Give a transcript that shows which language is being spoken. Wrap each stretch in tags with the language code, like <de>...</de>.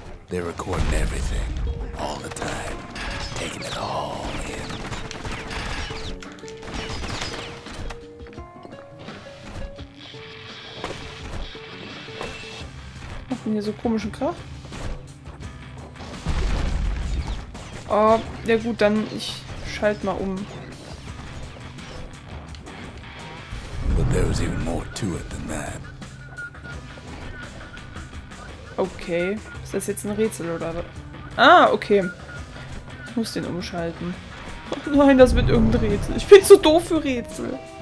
<en>They're recording everything, all the time, taking it all in.</en> <de>Macht denn hier so komischen Krach? Oh, ja gut, dann ich schalte mal um.</de> <en>But there was even more to it than that.</en> <de>Okay, ist das jetzt ein Rätsel oder? Ah, okay. Ich muss den umschalten. Oh nein, das wird irgendein Rätsel. Ich bin zu doof für Rätsel.</de>